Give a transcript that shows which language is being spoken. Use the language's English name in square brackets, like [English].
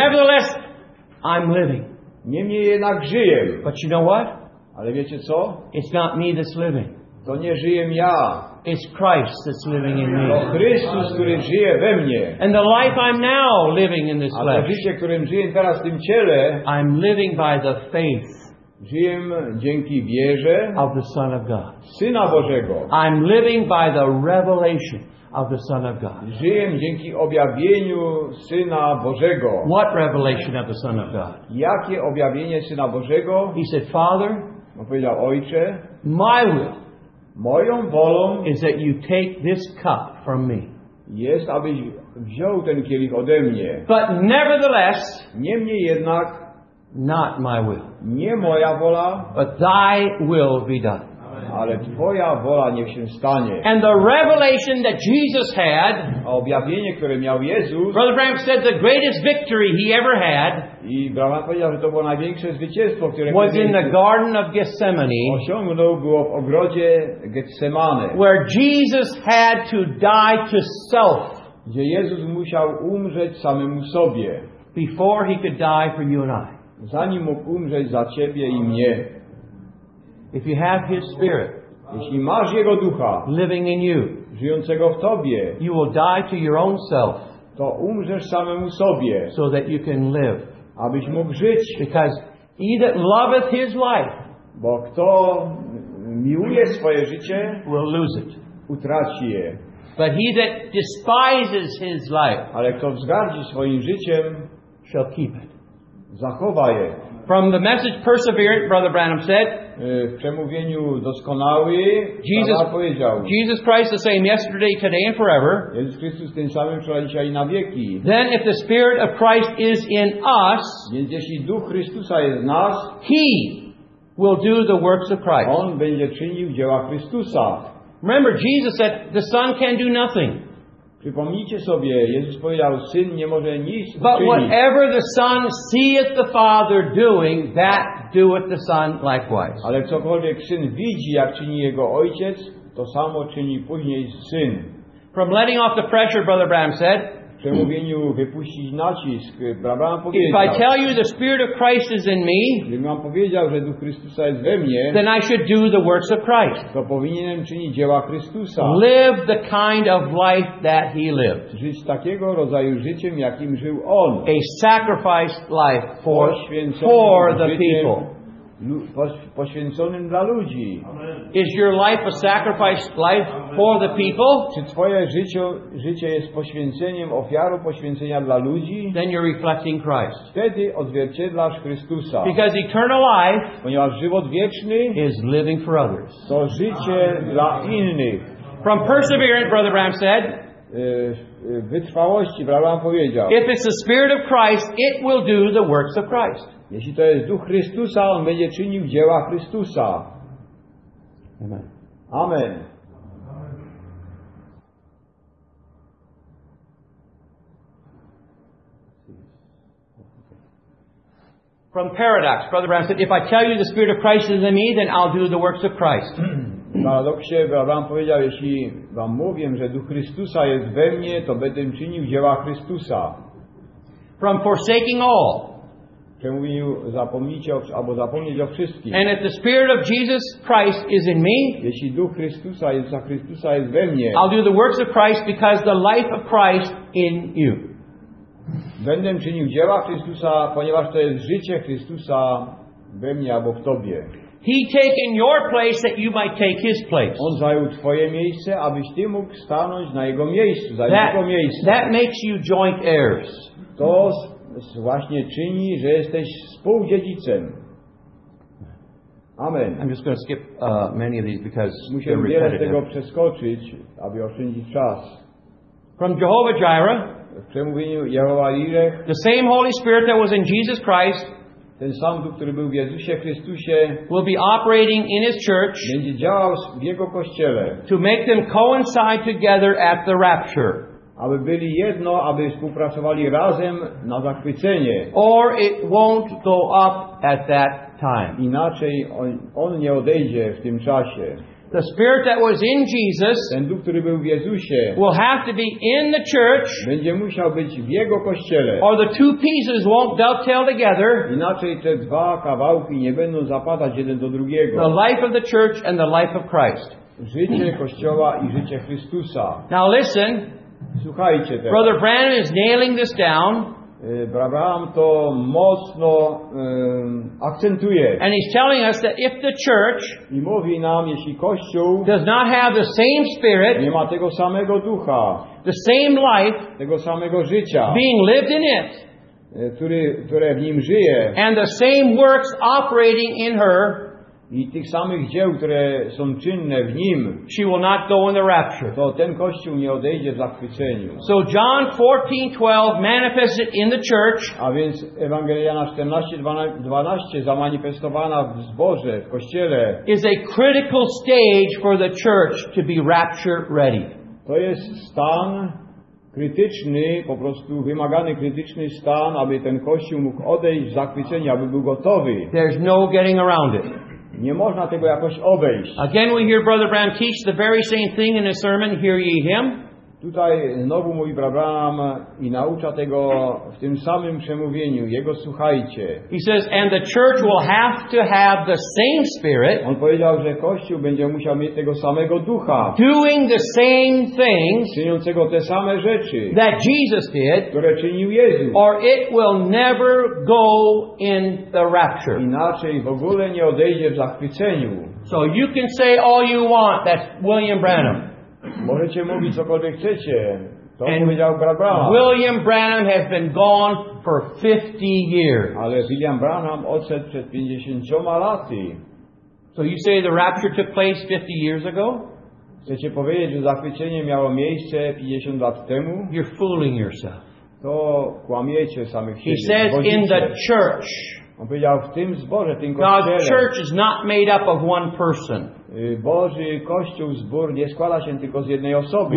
[English] Nevertheless, I'm living. [Polish] Niemniej jednak żyję. [English] But you know what? [Polish] Ale wiecie co? [English] It's not me that's living. [Polish] To nie żyję ja. [English] It's Christ that's living in me. [Polish] To Chrystus, który żyje we mnie. [English] And the life I'm now living in this flesh. [Polish] A to życie, którym żyję teraz w tym ciele. [English] I'm living by the faith. [Polish] Żyję dzięki wierze [English] of the Son of God. [Polish] Syna Bożego. [English] I'm living by the revelation of the Son of God. [Polish] Żyję dzięki objawieniu Syna Bożego. [English] What revelation of the Son of God? [Polish] Jakie objawienie Syna Bożego? [English] He said, Father, [Polish] on powiedział, Ojcze, [English] my will, [Polish] moją wolą, [English] is that you take this cup from me. [Polish] Jest, abyś wziął ten kielich ode mnie. [English] But nevertheless, [Polish] niemniej jednak, [English] not my will. [Polish] Nie moja wola, [English] but thy will be done. [Polish] Ale twoja wola niech się stanie. [English] And the revelation that Jesus had, [Polish] objawienie, które miał Jezus, [English] Brother Bram said the greatest victory he ever had, [Polish] i Bram powiedział, że to było największe zwycięstwo, które [English] was in the Garden of Gethsemane, [Polish] osiągnął było w ogrodzie Getsemane, [English] where Jesus had to die to self, [Polish] gdzie Jezus musiał umrzeć samemu sobie, [English] before he could die for you and I. [Polish] Zanim mógł umrzeć za ciebie i mnie. [English] If you have his spirit, [Polish] jeśli masz jego ducha [English] living in you, [Polish] żyjącego w tobie, [English] you will die to your own self, [Polish] to umrzesz samemu sobie, [English] so that you can live, [Polish] abyś mógł żyć. [English] Because he that loveth his life, [Polish] bo kto miłuje swoje życie, [English] will lose it, [Polish] utraci je. [English] But he that despises his life, [Polish] ale kto wzgardzi swoim życiem, [English] shall keep it, [Polish] zachowa je. [English] From the message Perseverant, Brother Branham said, [Polish] w przemówieniu doskonały Jezus powiedział, [English] Jesus Christ the same yesterday, today and forever. [Polish] Jezus Chrystus ten sam wczoraj, dzisiaj i na wieki. [English] Then if the Spirit of Christ is in us, [Polish] więc jeśli Duch Chrystusa jest w nas, [English] he will do the works of Christ. [Polish] On będzie czynił dzieła Chrystusa. [English] Remember, Jesus said, the Son can do nothing. [Polish] Przypomnijcie sobie, Jezus powiedział, Syn nie może nic uczynić. [English] But whatever the Son seeth the Father doing, that doeth the Son likewise. [Polish] Ale cokolwiek Syn widzi, jak czyni jego Ojciec, to samo czyni później Syn. [English] From letting off the pressure, Brother Bram said, [Polish] w przemówieniu wypuścić nacisk, Brother Bram powiedział, [English] if I tell you the Spirit of Christ is in me, [Polish] gdybym wam powiedział, że Duch Chrystusa jest we mnie, [English] then I should do the works of Christ. [Polish] To powinienem czynić dzieła Chrystusa. [English] Live the kind of life that he lived. [Polish] Żyć takiego rodzaju życiem, jakim żył on. [English] A sacrificed life for the people. [Polish] Poświęconym dla ludzi. [English] Is your life a sacrificed life for the people? [Polish] Czy twoje życie jest poświęceniem, ofiarą poświęcenia dla ludzi? [English] Then you're reflecting Christ. [Polish] Wtedy odzwierciedlasz Chrystusa. [English] Because eternal life, [Polish] ponieważ żywot wieczny, [English] is living for others. [Polish] To życie dla innych. [English] From perseverance, Brother Bram said, [Polish] wytrwałości, Brother Bram powiedział, [English] if it's the Spirit of Christ, it will do the works of Christ. [Polish] Jeśli to jest Duch Chrystusa, on będzie czynił dzieła Chrystusa. [English] Amen. [Polish] Amen. [English] From paradox, Brother Bram said, if I tell you the Spirit of Christ is in me, then I'll do the works of Christ. [Polish] W paradoksie, Brother Bram powiedział, jeśli wam mówię, że Duch Chrystusa jest we mnie, to będę czynił dzieła Chrystusa. [English] From forsaking all, [Polish] przemówieniu zapomnijcie albo zapomnieć o wszystkim. [English] And if the Spirit of Jesus Christ is in me, [Polish] jeśli Duch Chrystusa, Jezusa Chrystusa jest we mnie, [English] I'll do the works of Christ because the life of Christ in you. [Polish] Będę czynił dzieła Chrystusa, ponieważ to jest życie Chrystusa we mnie albo w tobie. [English] He taken your place that you might take his place. [Polish] On zajął twoje miejsce, abyś ty mógł stanąć na jego miejscu, za jego miejsce. [English] That makes you joint heirs. [Polish] To właśnie czyni, że jesteś współdziedzicem. [English] Amen. I'm just going to skip many of these because they're repetitive. [Polish] Musimy tego przeskoczyć, aby oszczędzić czas. [English] From Jehovah Jireh. [Polish] W przemówieniu Jehovah Jireh. [English] The same Holy Spirit that was in Jesus Christ. [Polish] Ten sam Duch, który był w Jezusie Chrystusie, [English] will be operating in his church, [Polish] będzie działał w jego kościele, [English] to make them coincide together at the rapture, [Polish] aby byli jedno, aby współpracowali razem na zachwycenie, [English] or it won't go up at that time. [Polish] Inaczej on nie odejdzie w tym czasie. [English] The spirit that was in Jesus, [Polish] ten Duch, który był w Jezusie, [English] will have to be in the church, [Polish] będzie musiał być w jego kościele, [English] or the two pieces won't dovetail together. [Polish] Inaczej te dwa kawałki nie będą zapadać jeden do drugiego. [English] The life of the church and the life of Christ. [Polish] Życie kościoła i życie Chrystusa. [English] Now listen. [Polish] Słuchajcie teraz. [English] Brother Branham is nailing this down. [Polish] Abraham to mocno akcentuje. [English] And he's telling us that if the church, [Polish] i mówi nam, jeśli kościół, [English] does not have the same spirit, [Polish] nie ma tego samego ducha, [English] the same life, [Polish] tego samego życia, [English] being lived in it, [Polish] które w nim żyje, [English] and the same works operating in her, [Polish] i tych samych dzieł, które są czynne w nim, [English] she will not go in the rapture. [Polish] To ten kościół nie odejdzie w zachwyceniu. [English] So John 14:12 manifested in the church. [Polish] A więc Ewangelia na 14:12 zamanifestowana w zborze, w kościele, [English] is a critical stage for the church to be rapture ready. [Polish] To jest stan krytyczny, po prostu wymagany krytyczny stan, aby ten kościół mógł odejść w zachwycenie, aby był gotowy. [English] There's no getting around it. [Polish] Nie można tego jakoś obejść. [English] Again we hear Brother Branham teach the very same thing in a sermon, hear ye him. [Polish] Tutaj znowu mówi Brother Branham i naucza tego w tym samym przemówieniu. Jego słuchajcie. [English] He says, and the church will have to have the same spirit. [Polish] On powiedział, że kościół będzie musiał mieć tego samego ducha. [English] Doing the same things. [Polish] Czyniącego te same rzeczy. [English] That Jesus did. [Polish] Które czynił Jezus. [English] Or it will never go in the rapture. [Polish] Inaczej w ogóle nie odejdzie w zachwyceniu. [English] So you can say all you want. That's William Branham. [Polish] Możecie mówić cokolwiek chcecie. To powiedział brat Branham. [English] William Branham has been gone for 50 years. [Polish] Ale William Branham odszedł przed 50 laty. [English] So you say the rapture took place 50 years ago? [Polish] Chcecie powiedzieć, że zachwycenie miało miejsce 50 lat temu? [English] You're fooling yourself. [Polish] To kłamiecie samych siebie. [English] He says in the church. [Polish] On powiedział w tym zborze, tym kościele. [English] God's church is not made up of one person. [Polish] Boży kościół, zbór nie składa się tylko z jednej osoby.